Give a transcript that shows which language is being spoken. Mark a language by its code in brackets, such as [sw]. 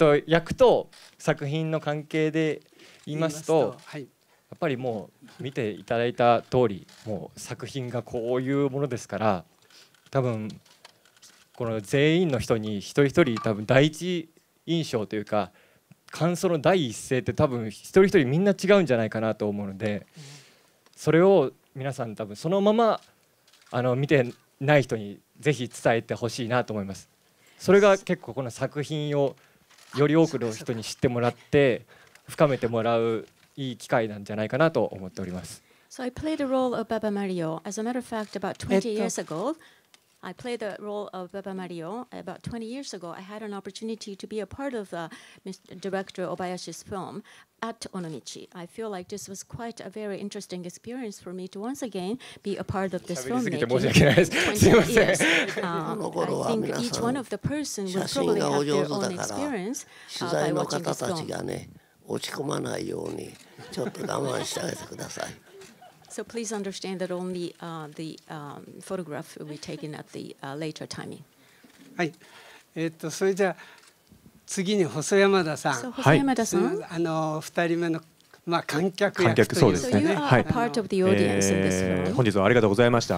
[ja] 役と作品の関係で言いますと、やっぱりもう見ていただいた通りもう作品がこういうものですから、多分この全員の人に一人一人多分第一印象というか感想の第一声って多分一人一人みんな違うんじゃないかなと思うので、それを皆さん多分そのままあの見てない人にぜひ伝えてほしいなと思います。それが結構この作品をより多くの人に知ってもらって深めてもらういい機会なんじゃないかなと思っております。 [en] So I played the role of Baba Mario. As a matter of fact, about 20 years ago I played the role of Baba Mario. About 20 years ago I had an opportunity to be a part of the director Obayashi's film at Onomichi. I feel like this was quite a very interesting experience for me to once again be a part of this film making. [ja] 喋りすぎて申し訳ないです。すいません。この頃は皆さん、写真がお上手だから、取材の方たちがね、落ち込まないようにちょっと我慢してあげてください。写真がお上手だから、取材の方たちがね、落ち込まないようにちょっと我慢してあげてください。 [en] So please understand that only the photograph will be taken at the later timing. [ja] はい。それじゃ次に細山田さん、 so, 細山田さん、あの2人目の、まあ、観客役という、ね、そうですね、はい、本日はありがとうございました。